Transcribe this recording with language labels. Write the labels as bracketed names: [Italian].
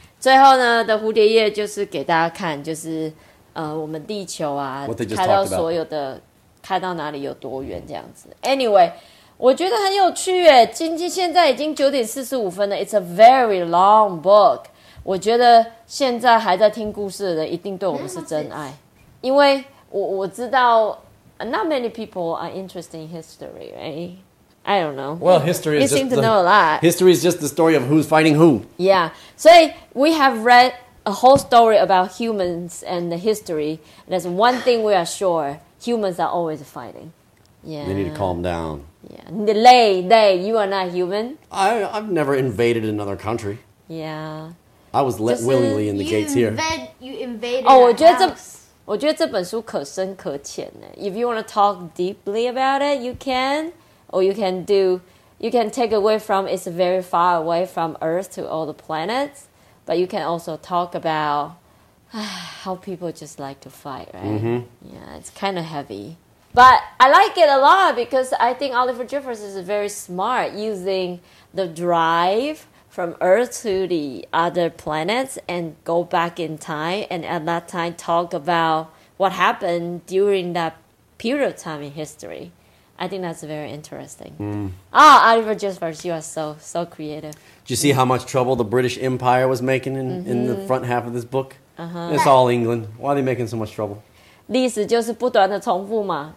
[Chinese] 最后呢的蝴蝶叶就是给大家看，就是我们地球啊，开到所有的，开到哪里有多远这样子。 Anyway， 我觉得很有趣耶。今天现在已经9:45了 ， [English] It's a very long book。 [Chinese] 我觉得现在还在听故事的人一定对我们是真爱，因为我知道。 [English] Not many people are interested in history, right? I don't know. Well, history is you just seem to the, know a lot. History is just the story of who's fighting who. Yeah. So we have read a whole story about humans and the history. And there's one thing we are sure. Humans are always fighting. Yeah. They need to calm down. Yeah. They, you are not human. I've never invaded another country. Yeah. I was let willingly in the gates here. You invaded our house. [Chinese] 我觉得这本书可深可浅呢。 [English] If you want to talk deeply about it, you can. Or you can do, you can take away from, it's very far away from Earth to all the planets. But you can also talk about how people just like to fight, right? Mm-hmm. Yeah, it's kind of heavy. But I like it a lot because I think Oliver Jeffers is very smart using the drive from Earth to the other planets and go back in time and at that time talk about what happened during that period of time in history. I think that's very interesting. Ah,、mm. Oliver Jeffers, you are so creative. Did you see how much trouble the British Empire was making in,、mm-hmm. in the front half of this book?、 Uh-huh. It's all England. Why are they making so much trouble? [Chinese] 历史就是不断的重复嘛。